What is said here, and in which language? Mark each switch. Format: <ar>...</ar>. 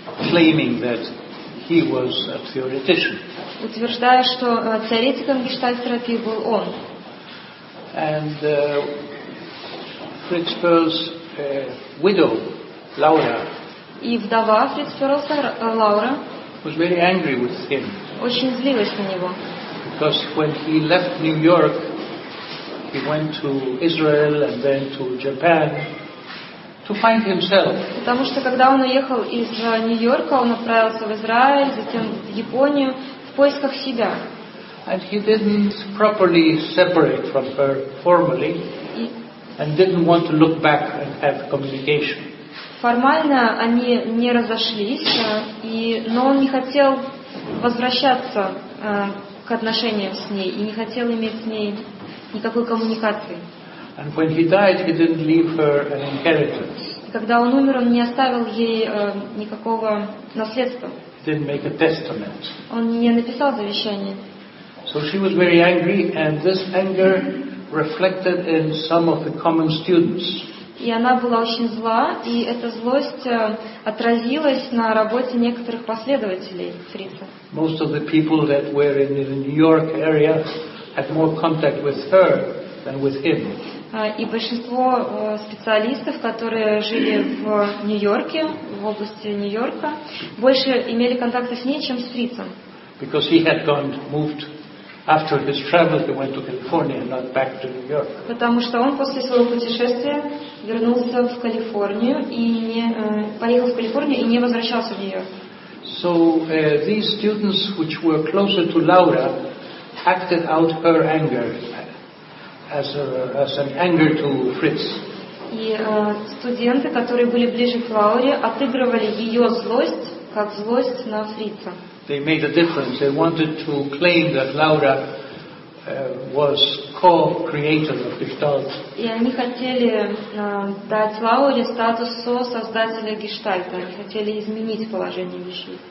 <en>Claiming that he was a theoretician.</en> <ru>Утверждая, что теоретиком гештальт-терапии был он.</ru> <en>And Fritz Perls' widow, Laura.</en> <ru>И вдова Фриц Перлсона, Лаура.</ru> <en>Was very angry with him.</en> <ru>Очень злилась на него.</ru> <en>Because when he left New York, he went to Israel and then to Japan. To find himself.</en> <ru>Потому что когда он уехал из Нью-Йорка, он отправился в Израиль, затем в Японию в поисках себя.</ru> <en>And he didn't properly separate from her formally, and didn't want to look back and have communication.</en> <ru>Формально они не разошлись, но он не хотел возвращаться к отношениям с ней и не хотел иметь с ней никакой коммуникации.</ru> <en>And when he died, he didn't leave her an inheritance.</en> <ru>Когда он умер, он не оставил ей никакого наследства.</ru> <en>He didn't make a testament.</en> <ru>Он не написал завещание.</ru> <en>So she was very angry, and this anger reflected in some of the common students.</en> <ru>И она была очень зла, и эта злость отразилась на работе некоторых последователей Фрица.</ru> <en>Most of the people that were in the New York area had more contact with her than with him.</en> <ru>И большинство специалистов, которые жили в Нью-Йорке, в области Нью-Йорка, больше имели контакты с ней, чем с Фрицем.</ru> <en>Because he had gone, moved after his travels, he went to California, not back to New York.</en> <ru>Потому что он после своего путешествия вернулся в Калифорнию и не поехал в Калифорнию и не возвращался в Нью-Йорк.</ru> <en>So these students, which were closer to Laura, acted out her anger. As an anger to Fritz.</en> <ru>И студенты, которые были ближе к Лауре, отыгрывали ее злость как злость на Фрица.</ru> <en>They made a difference. They wanted to claim that Laura was co-creator of Gestalt.</en> <ru>И они хотели дать Лауре статус со-создателя Гештальта. Они хотели изменить положение вещей.</ru>